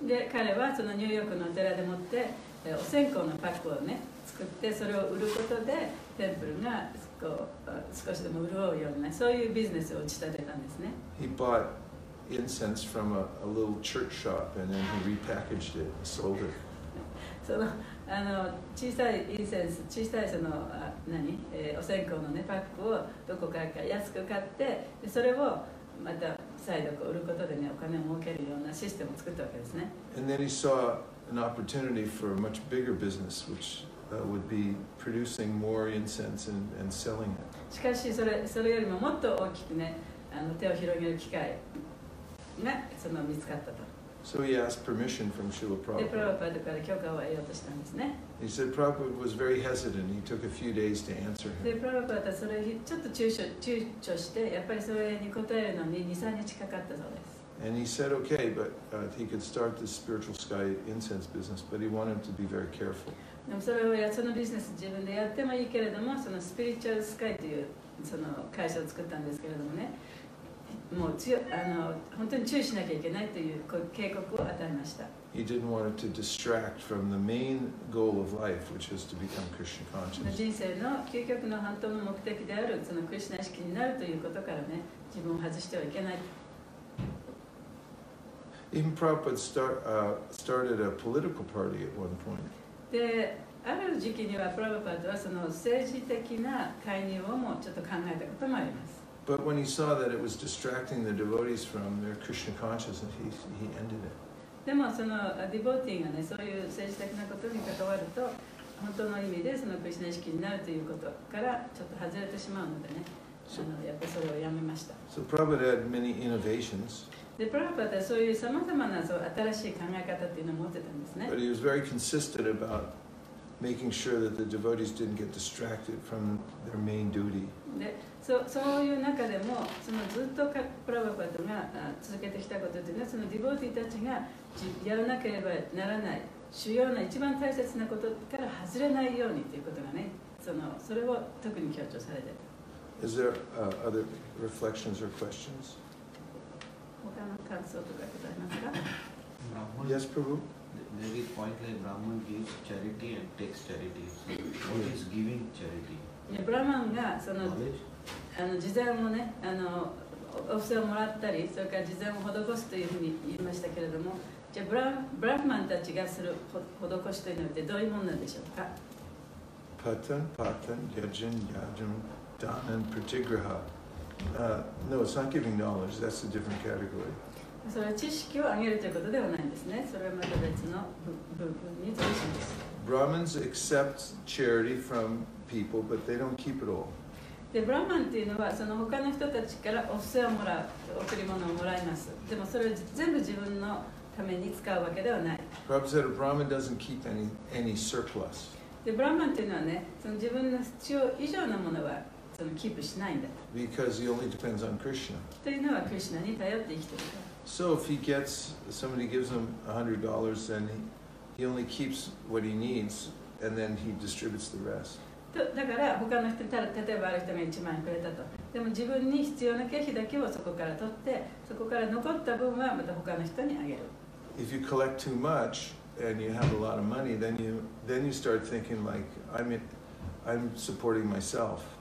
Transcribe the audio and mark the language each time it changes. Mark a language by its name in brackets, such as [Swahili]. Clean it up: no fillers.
[Japanese] で、彼はそのニューヨークのお寺でもって、お線香のパックをね、作って、それを売ることで、テンプルがこう少しでも潤うような、そういうビジネスを打ち立てたんですね。 [English] He bought incense from a little church shop and then he repackaged it and sold it. [Japanese] その、あの、小さいインセンス、小さいその、あ、何？お線香のね、パックをどこかか安く買って、で、それをまた再度こう売ることでね、お金を儲けるようなシステムを作ったわけですね。 [English] And then he saw an opportunity for a much bigger business, which would be producing more incense and selling it. [Japanese] しかし、それよりももっと大きくね、あの、手を広げる機会がその見つかったと。 [English] So he asked permission from Srila Prabhupada. [Japanese] で、プラバドから許可を得ようとしたんですね。 [English] He said Prabhupada was very hesitant. He took a few days to answer him. [Japanese] で、プラバドはそれちょっと躊躇して、やっぱりそれに答えるのに2、3日かかったそうです。 [English] And he said okay, but he could start the spiritual sky incense business, but he wanted to be very careful. [Japanese] でもそれをやそのビジネス自分でやってもいいけれども、そのスピリチュアルスカイというその会社を作ったんですけれどもね。もう強あの本当に注意しなきゃいけないという警告を与えました。 [English] He didn't want to distract from the main goal of life, which is to become Krishna conscious. [Japanese] 人生の究極の本当の目的であるそのクリシナ意識になるということからね、自分を外してはいけない。 [English] Even Prabhupada started a political party at one point. [Japanese] で、ある時期にはプラヴァパダはその政治的な介入をもちょっと考えたこともあります。 [English] But when he saw that it was distracting the devotees from their Krishna consciousness, he ended it. [Japanese] でもそのディボティがね、そういう政治的なことに関わると、本当の意味でそのクリシナ意識になるということからちょっと外れてしまうのでね、あのやっぱりそれをやめました。 [English] So Prabhupada had many innovations. [Japanese] で、プラヴァパダはそういうさまざまなそう新しい考え方っていうのを持ってたんですね。 [English] But he was very consistent about making sure that the devotees didn't get distracted from their main duty. [Japanese] で、そういう中でも、そのずっとプラヴァパダが続けてきたことというのは、そのディボーティーたちがやらなければならない、主要な一番大切なことから外れないようにということがね、それを特に強調されていた。 [English] Is there other reflections or questions? [Japanese] 他の感想とかございますか？ [English] Yes, Prabhu? There is a point like Brahman gives charity and takes charity. So what is giving charity? Yeah, [Japanese] Brahman がその [English] Knowledge? [Japanese] あの慈善をね、あのお布施をもらったり、それから慈善を施すというふうに言いましたけれども、じゃあブラフマンたちがする施しというのってどういうものなんでしょうか？ [Sanskrit] パタン、パタン、ヤジン、ヤジン、ダナン、プティグラハ。 [English] No, it's not giving knowledge. That's a different category. [Japanese] それは知識を上げるということではないんですね。それはまた別の部分に属します。 [English] Brahmins accept charity from people, but they don't keep it all. [Japanese] で、ブラマンというのはその他の人たちからお布施をもらう、贈り物をもらいます。でもそれを全部自分のために使うわけではない。 [English] Prabhupada said a Brahmin doesn't keep any surplus. [Japanese] で、ブラマンというのはね、その自分の必要以上のものはそのキープしないんだ。 [English] Because he only depends on Krishna. [Japanese] というのはクリシナに頼って生きている。 [English] So if he gets, somebody gives him $100, then he only keeps what he needs, and then he distributes the rest. [Japanese] だから他の人、例えばある人が1万円くれたと。でも自分に必要な経費だけをそこから取って、そこから残った分はまた他の人にあげる。 [English] If you collect too much, and you have a lot of money, then you start thinking like, I'm supporting myself.